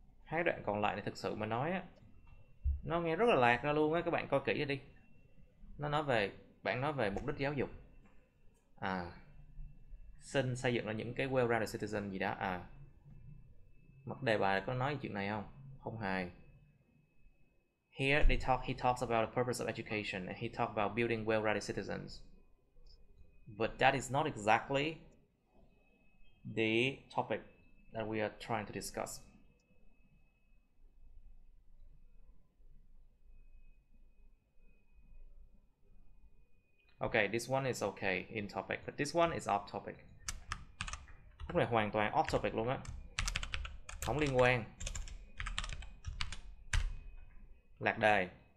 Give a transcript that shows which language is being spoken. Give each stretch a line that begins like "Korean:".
Vietnamese: Cái đoạn còn lại này thực sự mà nói á, nó nghe rất là lạc ra luôn á, các bạn coi kỹ ra đi. Nó nói về, bạn nói về mục đích giáo dục. À, xin xây dựng ra những cái well-rounded citizen gì đó. À, mặt đề bài có nói chuyện này không? Không hài.
English: Here they talk, he talks about the purpose of education and he talks about building well-rounded citizens. But that is not exactly the topic that we are trying to discuss. Okay, this one is okay in topic, but this one is off topic.
Vietnamese: Cái này hoàn toàn off topic luôn á. Không liên quan. Lạc đề.